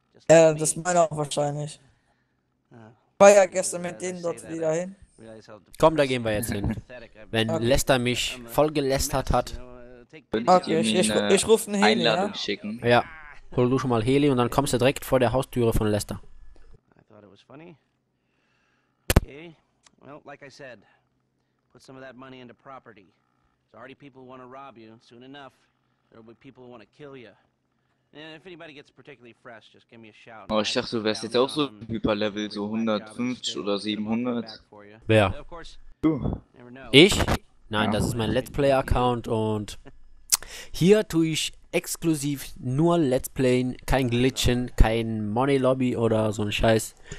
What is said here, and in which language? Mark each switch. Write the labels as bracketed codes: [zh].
[de] Ja, das meine auch wahrscheinlich. War ja gestern mit denen dort wieder hin. Komm, da gehen wir jetzt hin. Wenn okay. Lester mich voll gelästert hat. Okay, ich ruf einen Heli, Einladung ja? schicken. Ja, hol du schon mal Heli und dann kommst du direkt vor der Haustüre von Lester. [en] Okay, well, like I said, put some of that money into property. There's already people who want to rob you. Soon enough, there will be people who want to kill you. And if anybody gets particularly fresh, just give me a shout. [de] Oh, ich dachte, du wärst jetzt auch so Hyperlevel, so 150 oder 700. Wer? Du. Ich? Nein, das ist mein Let's Play Account und hier tue ich exklusiv nur Let's Playen, kein Glitchen, kein Money Lobby oder so ein Scheiß.